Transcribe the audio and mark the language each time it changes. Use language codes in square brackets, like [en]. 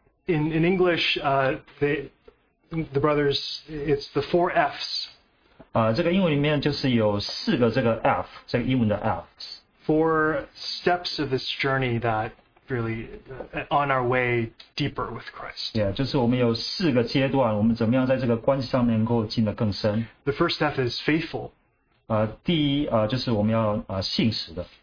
[en] In English, the brothers, it's the four F's. [zh] 这个英文里面就是有四个这个 F, 这个英文的 F's. [en] Four steps of this journey that really on our way deeper with Christ. [zh] Yeah, 就是我们有四个阶段，我们怎么样在这个关系上面能够进得更深。 [en] The first step is faithful. [zh] 第一就是我们要信实的。